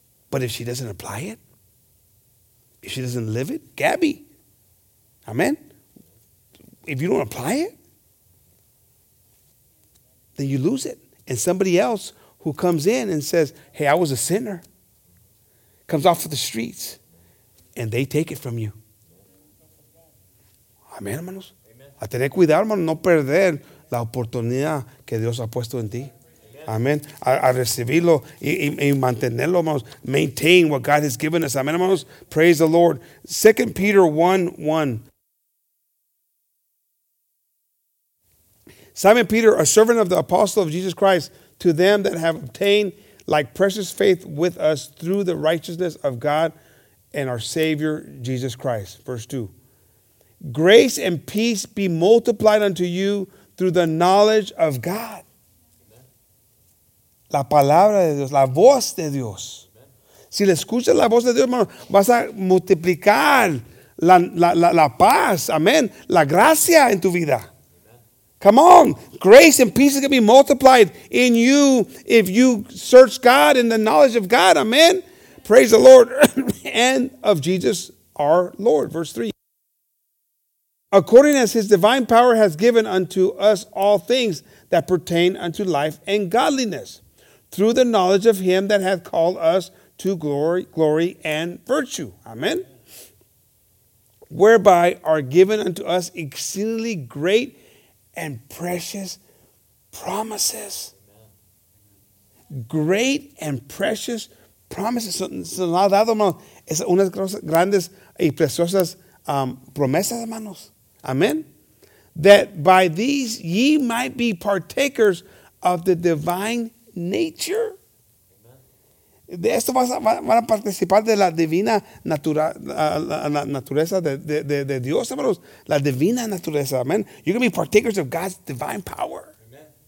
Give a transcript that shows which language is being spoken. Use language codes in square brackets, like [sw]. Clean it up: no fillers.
[en] But if she doesn't apply it, if she doesn't live it, Gabby, amen. If you don't apply it, then you lose it. And somebody else who comes in and says, hey, I was a sinner, comes off of the streets, and they take it from you. [es] Amén, hermanos. A tener cuidado, hermanos, no perder la oportunidad que Dios ha puesto en ti. Amén. A recibirlo y mantenerlo, hermanos. [en] Maintain what God has given us. [es] Amén, hermanos. [en] Praise the Lord. 2 Peter 1:1. Simon Peter, a servant of the apostle of Jesus Christ, to them that have obtained like precious faith with us through the righteousness of God and our Savior, Jesus Christ. Verse 2. Grace and peace be multiplied unto you through the knowledge of God. [es] Amen. La palabra de Dios, la voz de Dios. Amen. Si le escuchas la voz de Dios, hermano, vas a multiplicar la paz, amén, la gracia en tu vida. [en] Come on, grace and peace is going to be multiplied in you if you search God in the knowledge of God. Amen. Praise the Lord. And of Jesus our Lord. Verse 3. According as his divine power has given unto us all things that pertain unto life and godliness, through the knowledge of him that hath called us to glory and virtue. Amen. Whereby are given unto us exceedingly great and precious promises. Great and precious promises. [es] Son dado, hermanos. Es unas grandes y preciosas promesas, hermanos. [en] Amen. That by these ye might be partakers of the divine nature. [es] De esto van a participar de la divina naturaleza de Dios, hermanos. La divina naturaleza, amen. [en] You're going to be partakers of God's divine power. Amen.